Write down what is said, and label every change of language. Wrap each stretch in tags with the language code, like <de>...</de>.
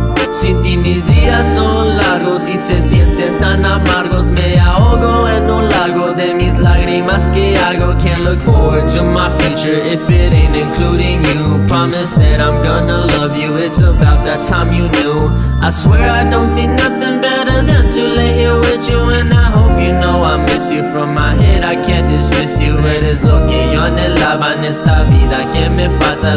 <es>Sin ti mis días son largos y se sienten tan amargos. Me ahogo en un lago de mis lágrimas que hago.</es> <en>Can't look forward to my future if it ain't including you. Promise that I'm gonna love you, it's about that time you knew. I swear I don't see nothing better than to lay here with you. And I hope you know I miss you. From my head I can't dismiss you.</en> <es>Eres lo que yo anhelaba en esta vida que me falta.</es>